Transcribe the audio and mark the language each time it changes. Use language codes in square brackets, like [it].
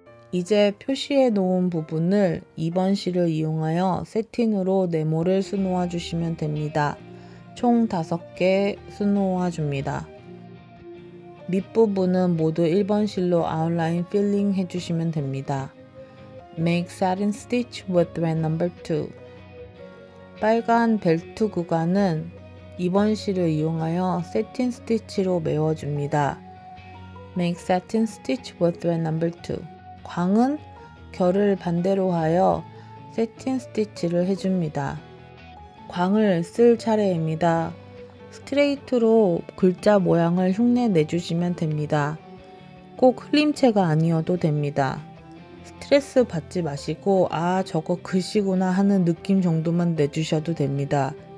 [ko] 이제 표시해 놓은 부분을 2번 실을 이용하여 세팅으로 네모를 수놓아 주시면 됩니다. 총 5개 수놓아 줍니다. 밑부분은 모두 1번 실로 아웃라인 필링 해주시면 됩니다. [en] Make satin stitch with thread number 2. [ko] 빨간 벨트 구간은 2번 실을 이용하여 새틴 스티치로 메워줍니다. [en] Make satin stitch with thread number 2. [ko] 광은 결을 반대로 하여 새틴 스티치를 해줍니다. 광을 쓸 차례입니다. 스트레이트로 글자 모양을 흉내 내주시면 됩니다. 꼭 흘림체가 아니어도 됩니다. 스트레스 받지 마시고 아 저거 글씨구나 하는 느낌 정도만 내주셔도 됩니다.